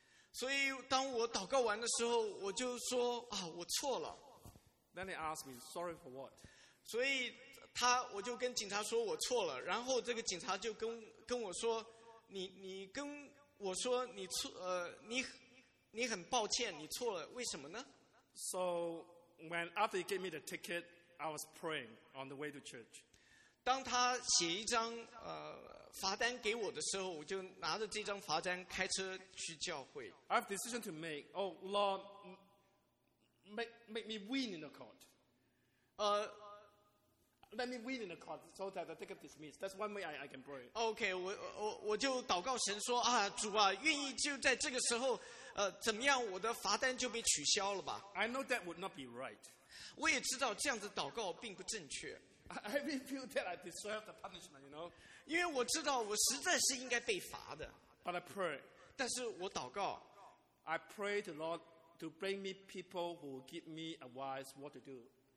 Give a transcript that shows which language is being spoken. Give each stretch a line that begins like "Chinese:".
Chinese: 所以当我祷告完的时候，我就说啊，我错了。
English: Then he asked me, "Sorry for what?"
Chinese: 所以他我就跟警察说我错了，然后这个警察就跟我说，你跟我说你错你很抱歉，你错了，为什么呢？
English: So when after he gave me the ticket, I was praying on the way to church.
Chinese: 当他写一张罚单给我的时候，我就拿着这张罚单开车去教会。
English: I have a decision to make. Oh Lord. Make me win in the court. Let me win in the court so that the ticket dismissed. That's one way I can pray.
Chinese: Okay, 我就祷告神说啊，主啊，愿意就在这个时候，怎么样，我的罚单就被取消了吧
English: ？I know that would not be right.
Chinese: 我也知道这样子祷告并不正确。
English: I really feel that I deserve the punishment, you know.
Chinese: 因为我知道我实在是应该被罚的。
English: But I pray.
Chinese: 但是我祷告。
English: I pray to Lord. To bring me people who give me advice what to do.